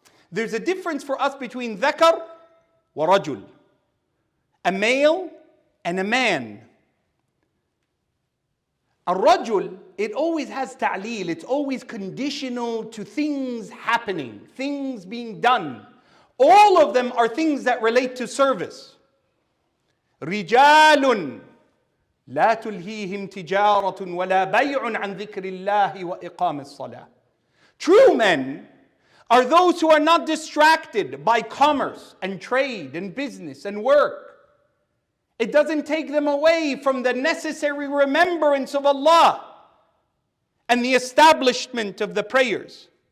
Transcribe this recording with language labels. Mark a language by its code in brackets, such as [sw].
[en] There's a difference for us between [ar] ذكر ورجل, [en] a male and a man. A رجل, it always has ta'lil, it's always conditional to things happening, things being done. All of them are things that relate to service. [ar] رجال لا تلهيهم تجارة ولا بيع عن ذكر الله وإقام الصلاة. [en] True men are those who are not distracted by commerce and trade and business and work. It doesn't take them away from the necessary remembrance of Allah and the establishment of the prayers.